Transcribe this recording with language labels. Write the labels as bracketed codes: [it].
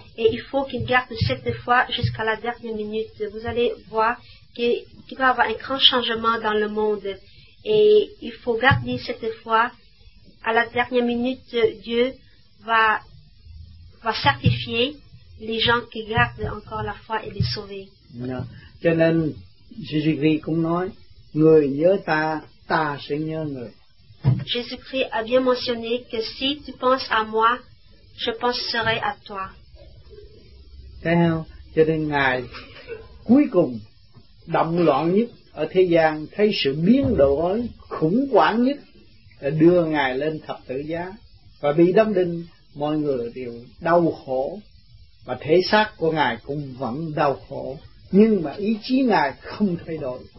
[fr] Et il faut qu'ils gardent cette foi jusqu'à la dernière minute. Vous allez voir qu'il va y avoir un grand changement dans le monde. Et il faut garder cette foi. À la dernière minute, Dieu va certifier les gens qui gardent encore la foi et les sauver. [vi] Cho nên, Jésus-Christ cũng nói, người nhớ ta, ta sẽ nhớ người. [fr] Jésus-Christ a bien mentionné que si tu penses à moi, je penserai à toi. [vi] Thấy không? Cho nên Ngài cuối cùng động loạn nhất ở thế gian, thấy sự biến đổi khủng hoảng nhất, đưa Ngài lên thập tự giá và bị đâm đinh, mọi người đều đau khổ và thể xác của Ngài cũng vẫn đau khổ, nhưng mà ý chí Ngài không thay đổi.